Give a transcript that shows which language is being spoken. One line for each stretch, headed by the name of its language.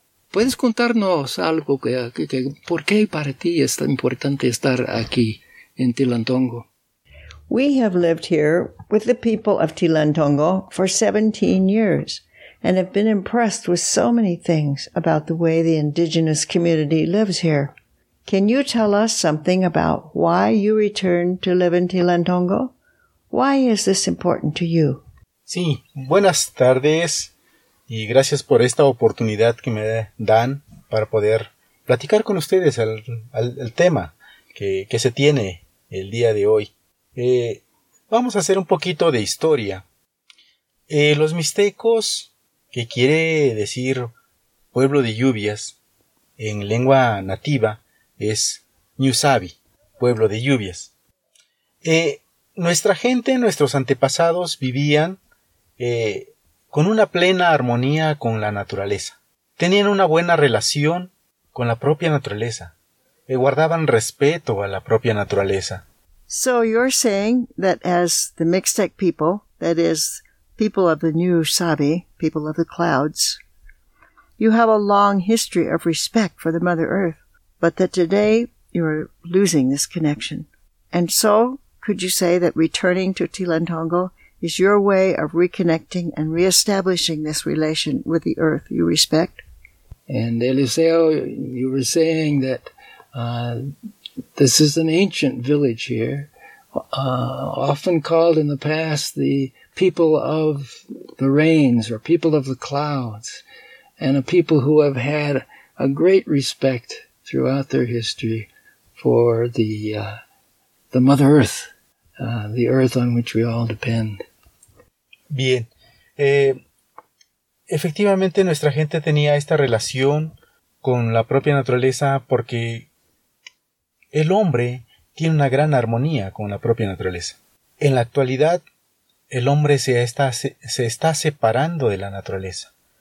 Spanish: ¿Puedes contarnos algo? ¿Por qué para ti es tan importante estar aquí en Tilantongo?
English: We have lived here with the people of Tilantongo for 17 years and have been impressed with so many things about the way the indigenous community lives here. Can you tell us something about why you returned to live in Tilantongo? Why is this important to you?
Spanish: Sí, buenas tardes y gracias por esta oportunidad que me dan para poder platicar con ustedes el tema que se tiene el día de hoy. Vamos a hacer un poquito de historia. Los mixtecos, que quiere decir pueblo de lluvias, en lengua nativa es Ñusabi, pueblo de lluvias. Nuestra gente, nuestros antepasados, vivían con una plena armonía con la naturaleza. Tenían una buena relación con la propia naturaleza. Guardaban respeto a la propia naturaleza.
English: So you're saying that as the Mixtec people, that is, people of the Ñusabi, people of the clouds, you have a long history of respect for the Mother Earth, but that today you're losing this connection. And so, could you say that returning to Tilantongo is your way of reconnecting and reestablishing this relation with the Earth you respect? And Eliseo, you were saying that this is an ancient village here, often called in the past the people of the rains or people of the clouds, and a people who have had a great respect throughout their history for the Mother Earth, the Earth on which we all depend.
Spanish: Bien. Efectivamente, nuestra gente tenía esta relación con la propia naturaleza porque el hombre tiene una gran armonía con la propia naturaleza. En la actualidad, el hombre se está separando de la naturaleza.